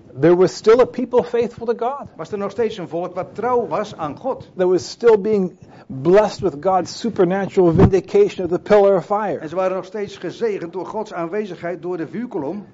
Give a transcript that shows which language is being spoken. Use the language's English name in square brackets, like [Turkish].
[English] There was still a people faithful to God. [Dutch] Was er nog steeds een volk wat trouw was aan God? [English] There was still being blessed with God's supernatural vindication of the pillar of fire. [Dutch] En ze waren nog steeds gezegend door Gods aanwezigheid door de vuurkolom.